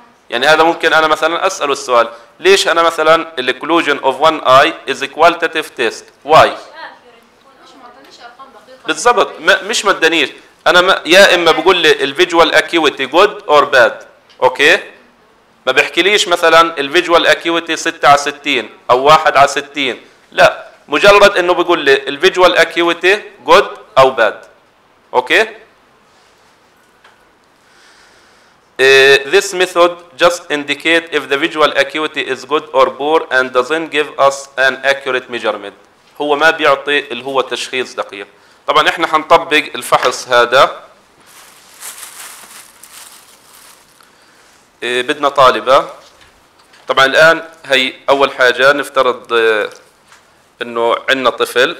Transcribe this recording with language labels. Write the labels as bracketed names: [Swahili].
[Arabic] يعني هذا ممكن انا مثلا اسال السؤال، ليش انا مثلا [English] الكلوجن of one A is qualitative test? Why? [Arabic] بالضبط، مش ما ادانيش انا يا اما بقول لي الفيجوال اكيوتي [English] Good or bad. [Arabic] اوكي، ما بحكيليش مثلا الفيجوال اكيوتي 6/60 او 1/60، لا، مجرد انه بيقول لي الفيجوال اكيوتي [English] Good او bad. [Arabic] اوكي. [English] This method just indicate if the visual acuity is good or poor and doesn't give us an accurate measurement. [Arabic] هو ما بيعطي اللي هو تشخيص دقيق. طبعا احنا حنطبق الفحص هذا، بدنا طالبة. طبعا الآن هي أول حاجة، نفترض إنه عندنا طفل.